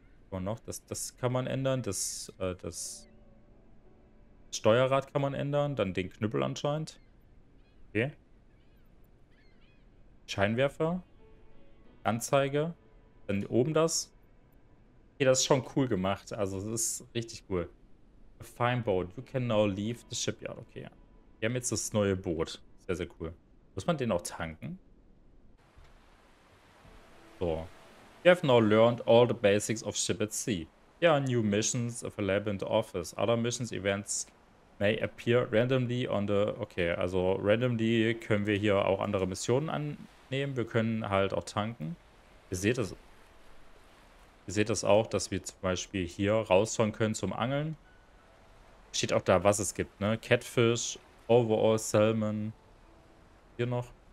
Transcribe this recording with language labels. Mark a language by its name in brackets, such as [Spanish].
[German] Noch, das kann man ändern, das Steuerrad kann man ändern, dann den Knüppel anscheinend. Okay. Scheinwerfer, Anzeige, dann oben das. Okay, das ist schon cool gemacht, also das ist richtig cool. [English] A fine boat, you can now leave the shipyard. [German] Okay, ja. Wir haben jetzt das neue Boot, sehr, sehr cool. Muss man den auch tanken? [English] So. We have now learned all the basics of ship at sea. Yeah, new missions of a lab and office. Other missions events may appear randomly on the. [German] Okay, also randomly können wir hier auch andere Missionen annehmen. Wir können halt auch tanken. Ihr seht das auch, dass wir zum Beispiel hier rausfahren können zum Angeln. Steht auch da, was es gibt, ne? Catfish, Overall, Salmon. Hier noch.